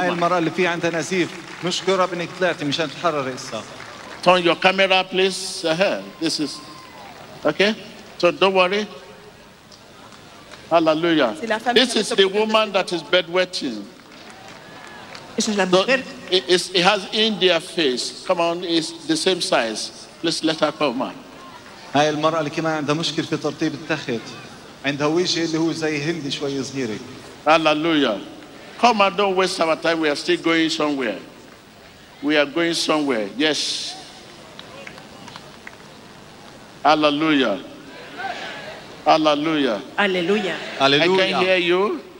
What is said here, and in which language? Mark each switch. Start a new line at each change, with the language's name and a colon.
Arabic: هاي المرأة اللي في عندها نزيف. مشكورة بإنك طلعتي مشان تحرري إسا.
English: Turn your camera, please. This is okay. So don't worry. Hallelujah. This is the woman that is bedwetting.
Spanish: Esa es la mujer.
English: It has India face. Come on, it's the same size. Please let her come on.
Arabic: هاي المرأة اللي كمان عندها مشكلة في ترطيب التخت. عندها وجه اللي هو زي هندي شوي صغيرة.
English: Hallelujah. Come on, don't waste our time. We are still going somewhere. We are going somewhere. Yes. Hallelujah. Hallelujah. Hallelujah. I can hear you.